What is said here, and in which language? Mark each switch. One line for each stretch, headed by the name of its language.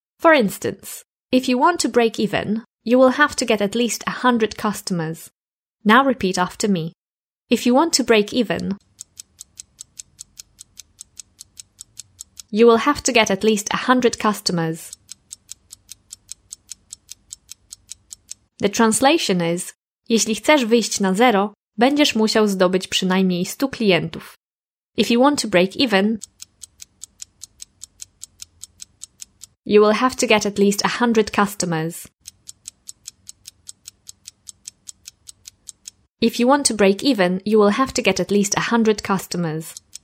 English: For instance, if you want to break even, you will have to get at least 100 customers. Now repeat after me. If you want to break even, you will have to get at least 100 customers. The translation is:
Polish: jeśli chcesz wyjść na zero, będziesz musiał zdobyć przynajmniej 100 klientów.
English: If you want to break even, you will have to get at least 100 customers. If you want to break even, you will have to get at least 100 customers.